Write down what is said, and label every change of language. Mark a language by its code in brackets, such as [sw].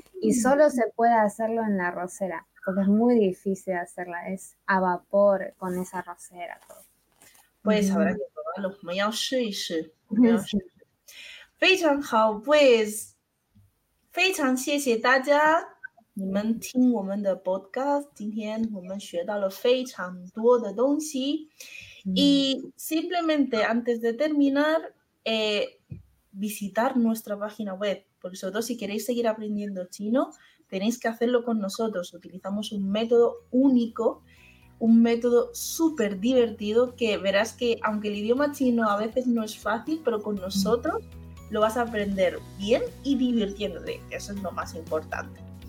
[es] Y solo se puede hacerlo en la arrocera. Porque es muy difícil hacerla. Es a vapor con esa arrocera. Pues habrá que probarlo. Vamos a probarlo. Muy bien. Pues, muchas gracias a todos. [zh] 你们听我们的 podcast， 今天我们学到了非常多的东西， [es] Y simplemente antes de terminar, visitar nuestra página web, porque sobre todo si queréis seguir aprendiendo chino, tenéis que hacerlo con nosotros. Utilizamos un método único, un método súper divertido, que verás que aunque el idioma chino a veces no es fácil, pero con nosotros lo vas a aprender bien y divirtiéndote, que eso es lo más importante.